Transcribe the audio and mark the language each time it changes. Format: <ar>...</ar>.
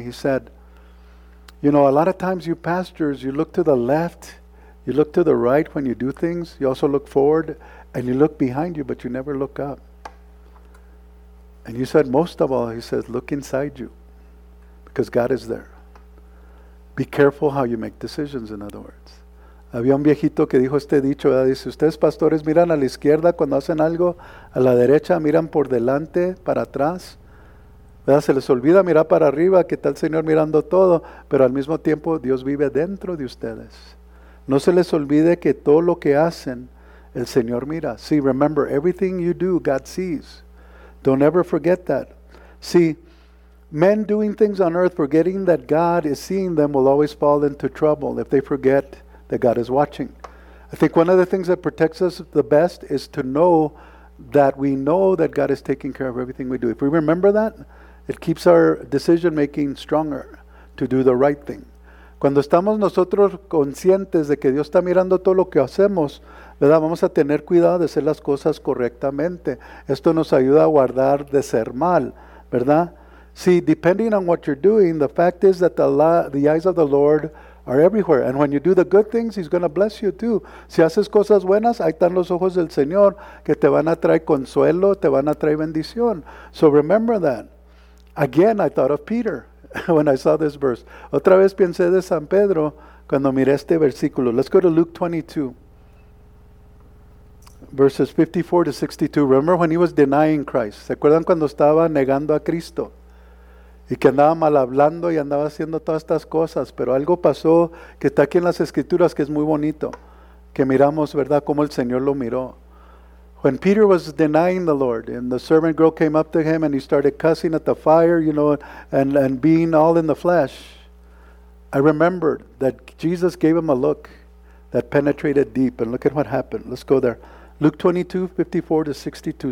<en>He said, you know, a lot of times you pastors, you look to the left, you look to the right when you do things. You also look forward and you look behind you, but you never look up. And he said, most of all, he says, look inside you because God is there. Be careful how you make decisions, in other words.</en> <es>Había un viejito que dijo este dicho, ¿verdad? Dice, ustedes pastores miran a la izquierda cuando hacen algo, a la derecha miran por delante, para atrás, ¿verdad? Se les olvida mirar para arriba, que está el Señor mirando todo, pero al mismo tiempo Dios vive dentro de ustedes. No se les olvide que todo lo que hacen, el Señor mira.</es> <en>See, remember, everything you do, God sees. Don't ever forget that. See, men doing things on earth, forgetting that God is seeing them, will always fall into trouble if they forget that God is watching. I think one of the things that protects us the best is to know that we know that God is taking care of everything we do. If we remember that, it keeps our decision making stronger to do the right thing.</en> <es>Cuando estamos nosotros conscientes de que Dios está mirando todo lo que hacemos, ¿verdad? Vamos a tener cuidado de hacer las cosas correctamente. Esto nos ayuda a guardar de ser mal, ¿verdad?</es> <en>See, depending on what you're doing, the fact is that the eyes of the Lord are everywhere. And when you do the good things, he's going to bless you too.</en> <es>Si haces cosas buenas, ahí están los ojos del Señor que te van a traer consuelo, te van a traer bendición.</es> <en>So remember that. Again, I thought of Peter when I saw this verse.</en> <es>Otra vez pensé de San Pedro cuando miré este versículo.</es> <en>Let's go to Luke 22, verses 54 to 62. Remember when he was denying Christ.</en> <es>¿Se acuerdan cuando estaba negando a Cristo? Y que andaba mal hablando y andaba haciendo todas estas cosas. Pero algo pasó que está aquí en las Escrituras que es muy bonito. Que miramos, ¿verdad?, cómo el Señor lo miró.</es> <en>When Peter was denying the Lord, and the servant girl came up to him and he started cussing at the fire, you know, and being all in the flesh, I remembered that Jesus gave him a look that penetrated deep. And look at what happened. Let's go there. Luke 22, 54 to 62.</en>